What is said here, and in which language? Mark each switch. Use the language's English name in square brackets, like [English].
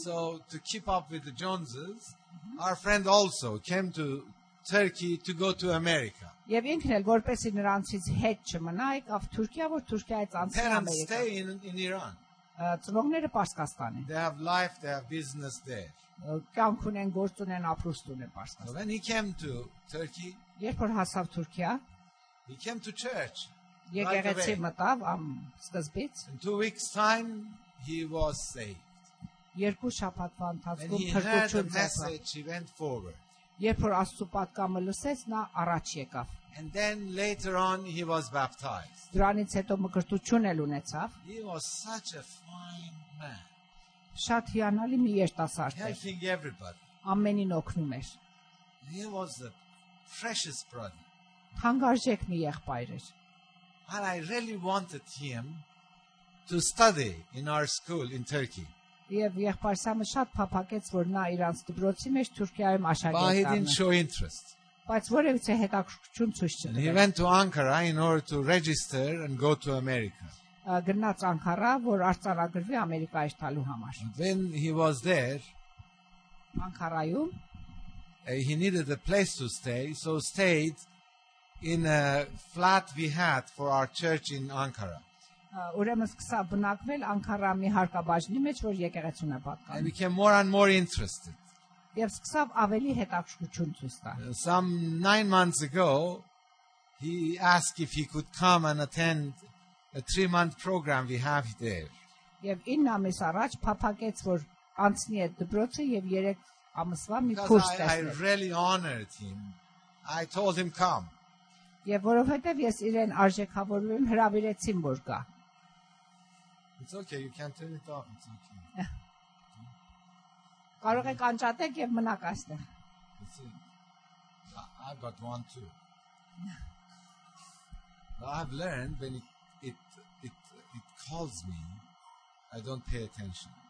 [English] So to keep up with the Joneses, our friend also came to Turkey to go to America. [Armenian] Եվ ինքն էլ որպեսի նրանցից հետ չմնա, եկավ Թուրքիա, որ Թուրքիայից անցնի Ամերիկա։ [English] They stay in Iran. [Armenian] Ծնողները Պարսկաստանի։ [English] They have life, they have business there. [Armenian] Կյանք ունեն, գործ ունեն, ապրուստ ունեն Պարսկաստանի։ [English] When he came to Turkey, [Armenian] Երբ որ հասավ Թուրքիա, [English] he came to church. [Armenian] Եկեղեցի մտավ ամ սկզբից. [English] In 2 weeks time he was saved. [Armenian] Երկու շաբաթվա ընթացքում փրկություն ծեցավ. Երբ որ Աստծո պատկամը լսեց, նա առաջ եկավ. [English] And then later on he was baptized. [Armenian] Դրանից հետո մկրտություն էլ ունեցավ. [English] He was such a fine man. [Armenian] Շատ հիանալի մի երիտասարդ էր. [English] Helping everybody. [Armenian] Ամենին օգնում էր. [English] He was a precious brother. [Armenian] Թանկարժեք մի եղբայր էր. [English] And I really wanted him to study in our school in Turkey. [Armenian] Եվ եղբայր Սամը շատ փափակեց, որ նա իր անձ դպրոցի մեջ Թուրքիայում աշակերտ դառնա. [English] But he didn't show interest. [Armenian] Բայց որևիցե հետաքրքրություն ցույց չտվեց. [English] He went to Ankara in order to register and go to America. [Armenian] Գնաց Անկարա, որ արձանագրվի Ամերիկայից գալու համար. [English] When he was there, [Armenian] Ankara-յում. [English] He needed a place to stay, so stayed in a flat we had for our church in Ankara. [Armenian] Ուրեմն սկսավ բնակվել Անկարա մի հարկաբաժնի մեջ, որ եկեղեցուն է պատկանում. [English] And became more and more interested. [Armenian] Եվ սկսավ ավելի հետաքրքրություն ցույց տալ. [English] Some 9 months ago, he asked if he could come and attend a 3-month program we have there. [Armenian] Եվ 9 ամիս առաջ փափակեց, որ անցնի այդ դպրոցը եւ 3 ամսվա մի քուրս տեսնի. [English] I really honored him. I told him come. [Armenian] Եվ որովհետև ես իրեն արժեքավորում հրավիրեցին որ գա։ [English] It's okay, you can turn it off. It's okay. [Armenian] Կարող եք անջատեք եւ մնաք այստեղ։ [English] I got one too. But I've learned when it calls me, I don't pay attention.